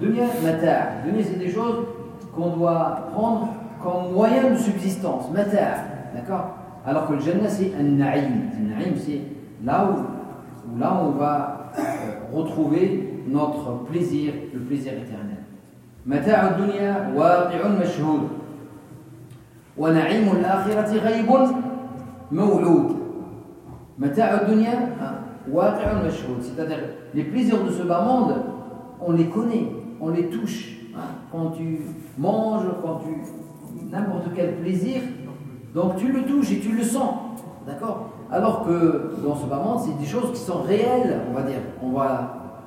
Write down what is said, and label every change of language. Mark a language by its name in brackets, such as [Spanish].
[French] Dunya, mata'. Dunya, c'est des choses qu'on doit prendre comme moyen de subsistance. Mata'. D'accord ? Alors que le jannah, c'est un na'im. Le na'im, c'est là où on va retrouver notre plaisir, le plaisir éternel. [Arabic] Mata' al-dunya, waqi'un mashhoud. ونعيم الآخرة غيب موعود متاع الدنيا واقع مشهود. [French] C'est-à-dire les plaisirs de ce bas monde, on les connaît, on les touche. Quand tu manges, quand tu n'importe quel plaisir, donc tu le touches et tu le sens, d'accord. Alors que dans ce bas monde, c'est des choses qui sont réelles, on va dire. On va.